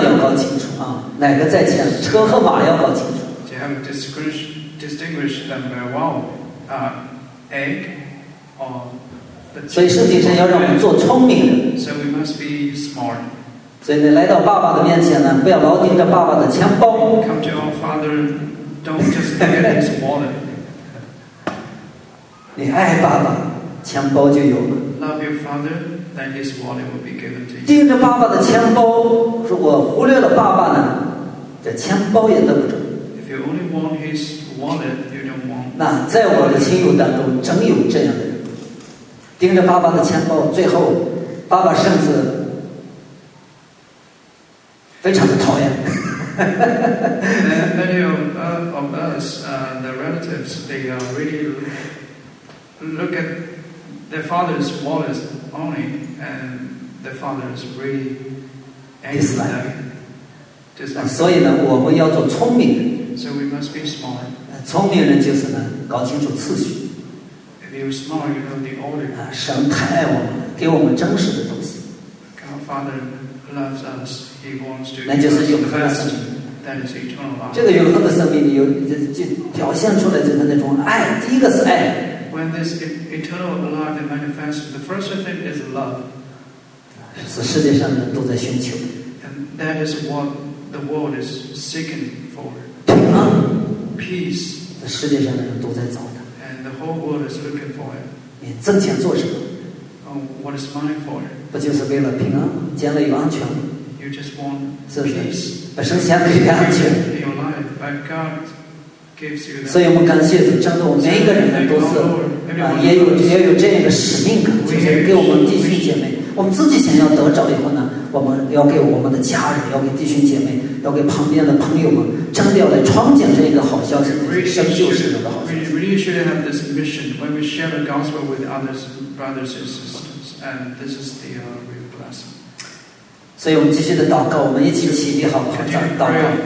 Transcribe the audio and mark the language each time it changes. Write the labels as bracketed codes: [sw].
[zh] 这是把鸡和蛋要搞清楚啊，哪个在前，车和马要搞清楚。 [en] You have to distinguish them very well. Egg or the chicken. [zh] 所以圣经上要让我们做聪明人。 [en] So we must be smart. [zh] 所以你来到爸爸的面前呢，不要老盯着爸爸的钱包。 [en] Come to your father, don't just look at his wallet. [zh] 你爱爸爸，钱包就有了。 [en] Love your father, then his wallet will be given to you. [zh] 盯着爸爸的钱包，如果忽略了爸爸呢，这钱包也得不着。 [en] If you only want his wallet, you don't want. [zh] 那在我的亲友当中，真有这样的人，盯着爸爸的钱包，最后爸爸甚至非常的讨厌。 [en] Many of us, the relatives, they are really look at their father's wallet only, and the father is really angry. Dislike. [zh] 所以呢，我们要做聪明人。 [en] So we must be smart. [zh] 聪明人就是呢，搞清楚次序。 [en] If you're smart, you know the order. [zh] 神太爱我们，给我们真实的东西。 [en] God Father loves us. He wants to. [zh] 那就是永恒的生命。 [en] That is eternal life. [zh] 这个永恒的生命，有就表现出来这个那种爱。第一个是爱。 [en] When this eternal life manifests, the first thing is love. [zh] 是世界上人都在寻求。 [en] And that is what the world is seeking for. [zh] 平安。 [en] Peace. [zh] 是世界上人都在找的。 [en] And the whole world is looking for it. [zh] 你挣钱做什么？ [en] What is money for? [zh] 不就是为了平安，建立有安全吗？ [en] You just want peace. [zh] 本身想的是安全。 [en] In your life, but God. [zh] 所以我们感谢主，真的我们每一个人都是也有这样一个使命感，就是给我们弟兄姐妹，我们自己想要得着以后呢，我们要给我们的家人，要给弟兄姐妹，要给旁边的朋友们，真的要来传讲这一个好消息，生救世人的好消息。 [en] We really should have this mission when we share the gospel with others, brothers and sisters, and this is the real blessing. [zh] 所以我们继续的祷告，我们一起起立好不好？祷告。